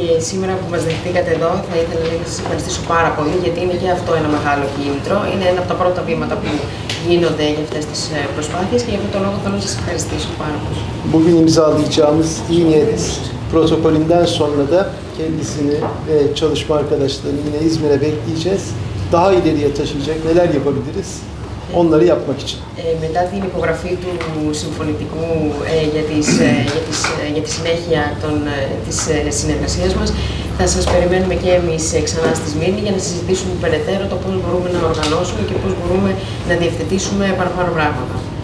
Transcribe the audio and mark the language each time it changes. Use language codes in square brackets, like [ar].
[el] Σήμερα που μας δεχτήκατε εδώ, θα ήθελα να σας ευχαριστήσω πάρα πολύ, γιατί είναι και αυτό ένα μεγάλο κίνητρο. Είναι ένα από τα πρώτα βήματα που γίνονται για αυτές τις προσπάθειες και γι' αυτό το λόγο θέλω να σας ευχαριστήσω πάρα πολύ. [tr] Bugün imzalayacağımız iyi niyet protokolünden sonra da kendisini ve çalışma arkadaşlarını yine İzmir'e bekleyeceğiz. Daha ileriye taşıyacak neler yapabiliriz? Onları yapmak için. [el] Μετά την υπογραφή του συμφωνητικού για τη συνέχεια της συνεργασίας μας, θα σας περιμένουμε και εμείς ξανά στη Σμύρνη για να συζητήσουμε περαιτέρω το πώς μπορούμε να οργανώσουμε και πώς μπορούμε να διευθετήσουμε παραπάνω πράγματα.